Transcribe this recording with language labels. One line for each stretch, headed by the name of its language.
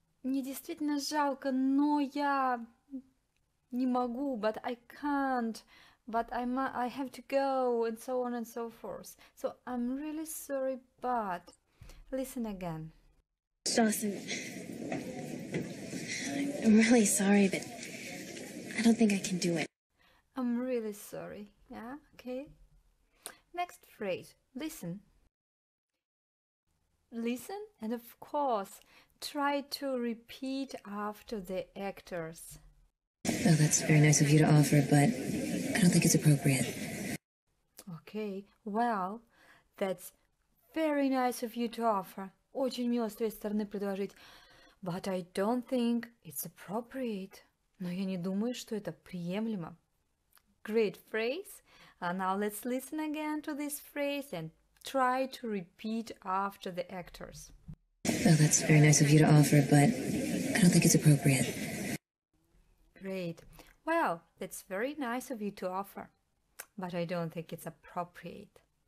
Russian: Мне действительно жалко, но я... Не могу,
English: but I can't. But I have to go, and so on and so forth. So I'm really sorry, but... Listen again. Dawson, I'm really sorry, but I don't think I can do it. I'm really sorry, yeah, okay? Next phrase, listen. Listen, and of course, try to repeat after the actors. Well, that's very nice of you to offer, but... I don't think it's appropriate. Okay, well, that's very nice of you to offer.
Russian: Очень мило с твоей стороны предложить.
English: But I don't think it's appropriate.
Russian: Но я не думаю, что это приемлемо.
English: Great phrase. Now let's listen again to this phrase and try to repeat after the actors. Well, that's very nice of you to offer, but I don't think it's appropriate. Great. Well, that's very nice of you to offer, but I don't think it's appropriate.